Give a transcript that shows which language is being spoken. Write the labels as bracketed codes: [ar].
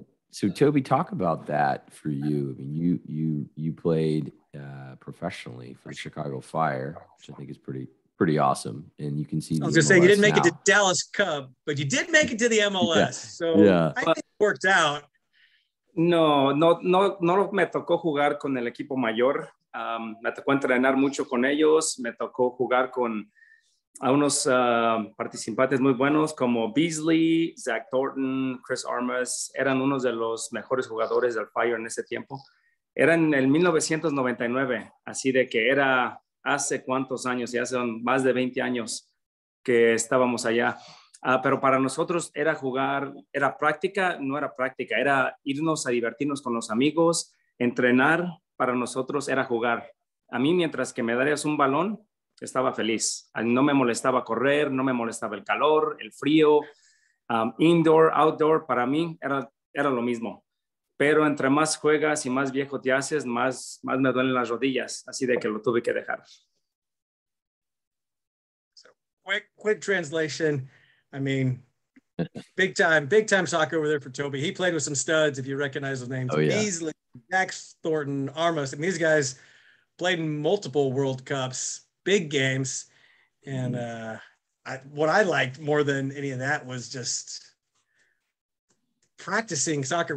[en] So Toby, talk about that for you. I mean, you played professionally for the Chicago Fire, which I think is pretty awesome. And you can see, I was gonna say, you didn't make it to Dallas Cub, but you did make it to the MLS. Yeah. I think it worked out. [es] No, me tocó jugar con el equipo mayor. Me tocó entrenar mucho con ellos. Me tocó jugar con a unos participantes muy buenos como Beasley, Zach Thornton, Chris Armas. Eran unos de los mejores jugadores del Fire en ese tiempo. Era en el 1999, así de que era hace cuántos años, ya son más de 20 años que estábamos allá. Pero para nosotros era jugar, era práctica, no era práctica, era irnos a divertirnos con los amigos, entrenar, para nosotros era jugar. A mí, mientras que me darías un balón, estaba feliz. No me molestaba correr, no me molestaba el calor, el frío, indoor, outdoor, para mí era lo mismo. Pero entre más juegas y más viejo te haces, más me duelen las rodillas, así de que lo tuve que dejar. [en] So, quick translation. I mean, big time soccer over there for Toby. He played with some studs, if you recognize those names. Oh, yeah. Beasley, Dax Thornton, Armas. I mean, these guys played in multiple World Cups, big games. And what I liked more than any of that was just practicing soccer.